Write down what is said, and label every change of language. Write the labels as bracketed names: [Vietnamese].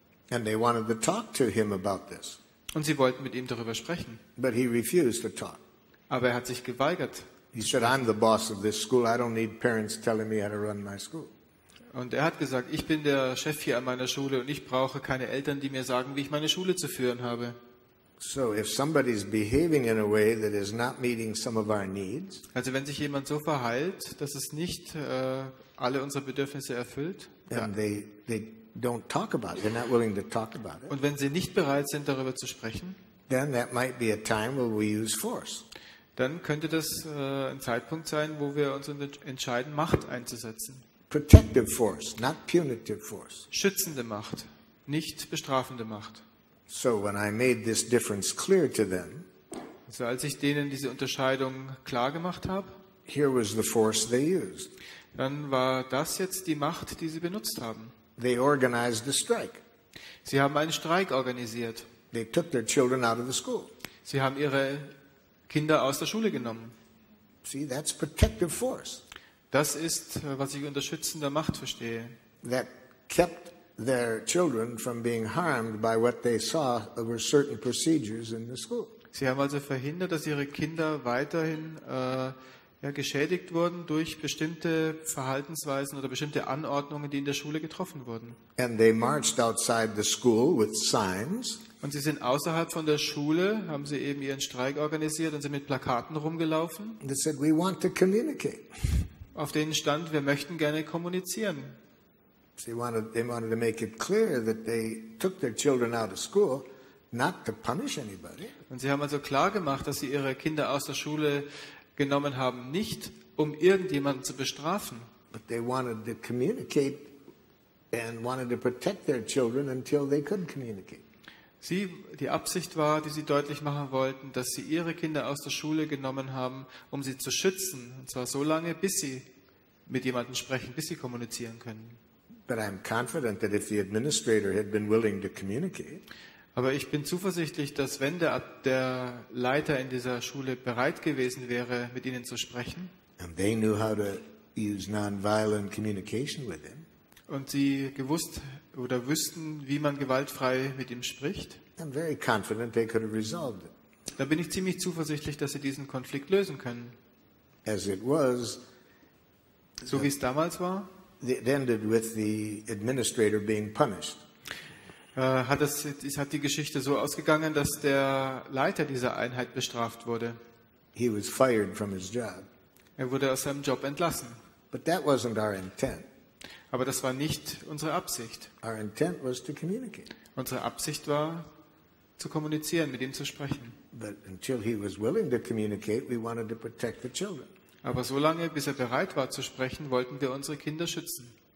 [English] And they wanted to talk to him about this. [German] Und sie wollten mit ihm darüber sprechen. [English] But he refused to talk. [German] Aber er hat sich geweigert. [English] He said, I'm the boss of this school. I don't need parents telling me how to run my school. [German] Und er hat gesagt, ich bin der Chef hier an meiner Schule und ich brauche keine Eltern, die mir sagen, wie ich meine Schule zu führen habe. [English] So if somebody's behaving in a way that is not meeting some of our needs, [German] also wenn sich jemand so verhält, dass es nicht alle unsere Bedürfnisse erfüllt, [English] and they don't talk about it, they're not willing to talk about it. [German] Und wenn sie nicht bereit sind, darüber zu sprechen, [English] then that might be a time where we use force. [German] Dann könnte das ein Zeitpunkt sein, wo wir uns entscheiden, Macht einzusetzen. [English] Protective force, not punitive force. [German] Schützende Macht, nicht bestrafende Macht. [English] So when I made this difference clear to them, [German] also als ich denen diese Unterscheidung klar gemacht habe, [English] here was the force they used. [German] Dann war das jetzt die Macht, die sie benutzt haben. [English] They organized the strike. [German] Sie haben einen Streik organisiert. [English] They took their children out of the school. [German] Sie haben ihre Kinder aus der Schule genommen. [English] See, that's protective force. [German] Das ist, was ich unter schützender Macht verstehe. [English] That kept their children from being harmed by what they saw over certain procedures in the school. [German] Sie haben also verhindert, dass ihre Kinder weiterhin geschädigt wurden durch bestimmte Verhaltensweisen oder bestimmte Anordnungen, die in der Schule getroffen wurden. [English] And they marched outside the school with signs. [German] Und sie sind außerhalb von der Schule, haben sie eben ihren Streik organisiert und sind mit Plakaten rumgelaufen. [English] And they said, we want to communicate. [German] Auf denen stand, wir möchten gerne kommunizieren. [English] They wanted to make it clear that they took their children out of school not to punish anybody. [German] Und sie haben also klar gemacht, dass sie ihre Kinder aus der Schule genommen haben, nicht um irgendjemanden zu bestrafen. [English] But they wanted to communicate and wanted to protect their children until they could communicate. [German] Sie, die Absicht war, die sie deutlich machen wollten, dass sie ihre Kinder aus der Schule genommen haben, um sie zu schützen, und zwar so lange, bis sie mit jemandem sprechen, bis sie kommunizieren können. [English] But I'm confident that if the administrator had been willing to communicate, [German] aber ich bin zuversichtlich, dass wenn der Leiter in dieser Schule bereit gewesen wäre, mit ihnen zu sprechen, [English] and they knew how to use non-violent communication with him, [German] und sie gewusst oder wüssten, wie man gewaltfrei mit ihm spricht, [English] I'm very confident they could have resolved it. [German] Da bin ich ziemlich zuversichtlich, dass sie diesen Konflikt lösen können. [English] As it was, [German] so wie es damals war, [English] it ended with the administrator being punished. [German] Hat die Geschichte so ausgegangen, dass der Leiter dieser Einheit bestraft wurde. [English] He was fired from his job. [German] Er wurde aus seinem Job entlassen. [English] But that wasn't our intent. [German] Aber das war nicht unsere Absicht. [English] Our intent was to communicate. [German] Unsere Absicht war, zu kommunizieren, mit ihm zu sprechen. [English] But until he was willing to communicate, we wanted to protect the children. [German] Aber solange, bis er bereit war zu sprechen, wollten wir unsere Kinder schützen.